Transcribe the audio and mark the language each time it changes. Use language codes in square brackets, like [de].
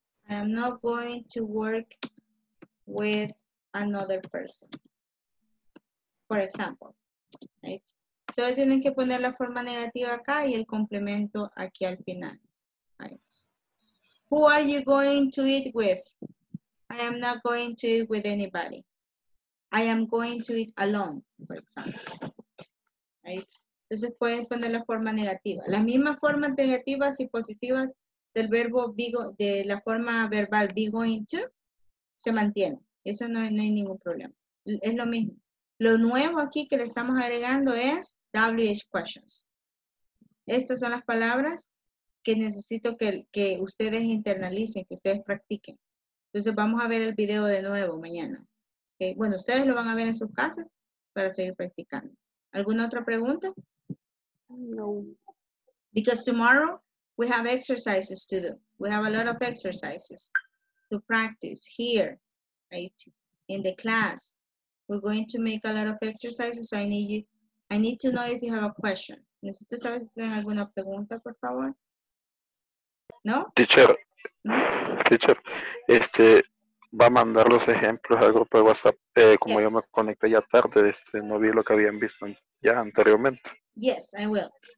[en] I am not going to work with another person. For example, right? [es] Solo tienen que poner la forma negativa acá y el complemento aquí al final. [en] Right. Who are you going to eat with? I am not going to eat with anybody. I am going to eat alone, for example. Right? [es] Entonces pueden poner la forma negativa. Las mismas formas negativas y positivas del verbo de la forma verbal be going to, se mantiene. Eso no hay ningún problema. Es lo mismo. Lo nuevo aquí que le estamos agregando es WH questions. Estas son las palabras que necesito que ustedes internalicen, que ustedes practiquen. Entonces vamos a ver el video de nuevo mañana. ¿Okay? Bueno, ustedes lo van a ver en sus casas para seguir practicando. ¿Alguna otra pregunta? No. [en] Because tomorrow we have exercises to do. We have a lot of exercises to practice here, right? In the class, we're going to make a lot of exercises. So I need to know if you have a question. [es] ¿Necesito saber si tienen alguna pregunta, por favor? No? Teacher, ¿no? Teacher, va a mandar los ejemplos al grupo de WhatsApp. Como yes. Yo me conecté ya tarde, no vi lo que habían visto ya anteriormente. [en] Yes, I will.